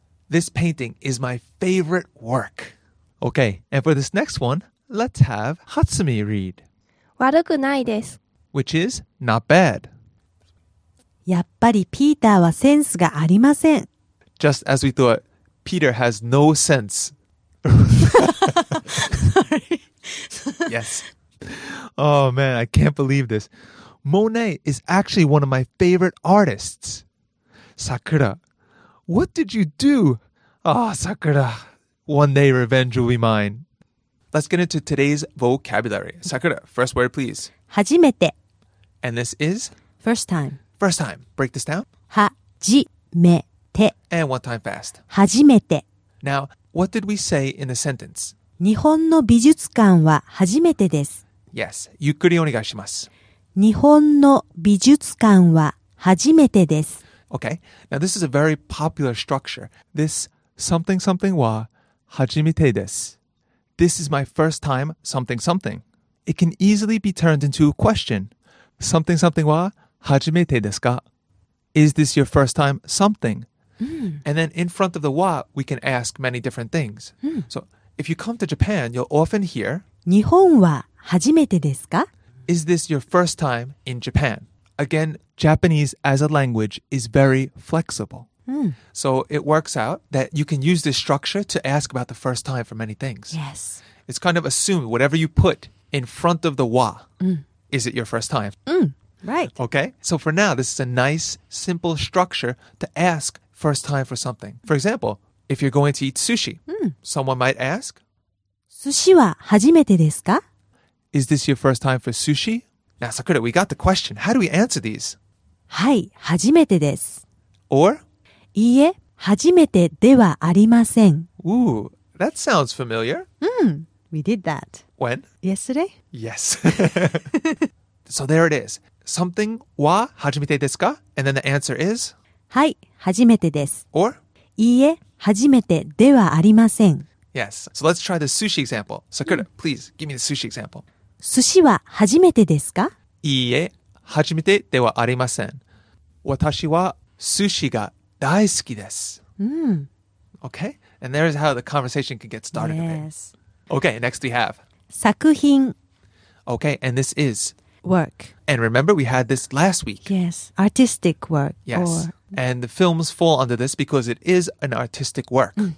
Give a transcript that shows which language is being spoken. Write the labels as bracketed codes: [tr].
[en] This painting is my favorite work. Okay, and for this next one, let's have Hatsumi read. [ja] 悪くないです。 [en] Which is not bad. [ja] やっぱりピーターはセンスがありません。 [en] Just as we thought, Peter has no sense. Sorry. Yes. Oh man, I can't believe this. Monet is actually one of my favorite artists. Sakura, What did you do? Ah, Sakura. One day revenge will be mine. Let's get into today's vocabulary. Sakura, first word please. [ja] 初めて. [en] And this is? First time. First time. Break this down. [ja] 初めて. [en] And one time fast. [ja] 初めて. [en] Now, what did we say in the sentence? [ja] 日本の美術館は初めてです. [en] Yes. [ja] ゆっくりお願いします。日本の美術館は初めてです。 [en] Okay. Now this is a very popular structure. This something something [ja] は初めてです。 [en] This is my first time something something. It can easily be turned into a question. Something something [ja] は初めてですか? [en] Is this your first time something? And then in front of the は, we can ask many different things. So if you come to Japan, you'll often hear [ja] 日本は初めてですか? [en] Is this your first time in Japan? Again, Japanese as a language is very flexible. So it works out that you can use this structure to ask about the first time for many things. Yes. It's kind of assumed whatever you put in front of the wa, is it your first time? Right. Okay. So for now, this is a nice, simple structure to ask first time for something. For example, if you're going to eat sushi, someone might ask, [ja] 寿司は初めてですか? [en] Is this your first time for sushi? Now, Sakura, we got the question. How do we answer these? [ja] はい、初めてです。 [en] Or? [ja] いいえ、初めてではありません。 [en] Ooh, that sounds familiar. We did that. When? Yesterday? Yes. So there it is. [ja] Something は初めてですか? [en] And then the answer is? [ja] はい、初めてです。 [en] Or? [ja] いいえ、初めてではありません。 [en] Yes. So let's try the sushi example. Sakura, please give me the sushi example. [ja] 寿司は初めてですか? いいえ、初めてではありません。私は寿司が大好きです。 [en] Okay. And there's how the conversation can get started. Yes. Okay. Next we have. [ja] 作品 [en] Okay. And this is. Work. And remember we had this last week. Yes. Artistic work. Yes. And the films fall under this because it is an artistic work.